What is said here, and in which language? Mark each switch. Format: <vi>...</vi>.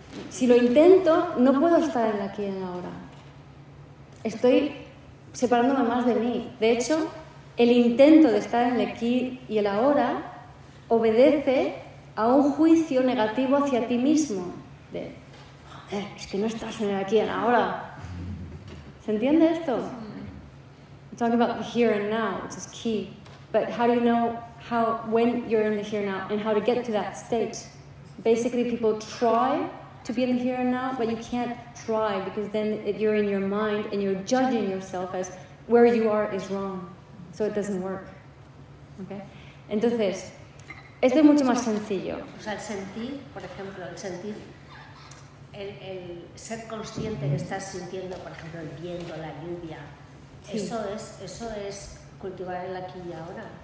<es>si lo intento, no puedo estar en el aquí y en el ahora. Estoy separándome más de mí. De hecho, el intento de estar en el aquí y el ahora obedece a un juicio negativo hacia ti mismo. De, joder, es que no estás en el aquí y el ahora. ¿Se entiende esto?</es> <en>Talking about the here and now, which is key. But how do you know how when you're in the here and now and how to get to that state? Basically, people try to be in the here and now, but you can't try because then you're in your mind and you're judging yourself as where you are is wrong. So it doesn't work. Okay?</en> <es>Entonces, esto es mucho más sencillo. O sea, el sentir, por ejemplo, el sentir... El ser consciente que estás sintiendo, por ejemplo, el viento, la lluvia, sí. eso es cultivar el aquí y ahora.</es>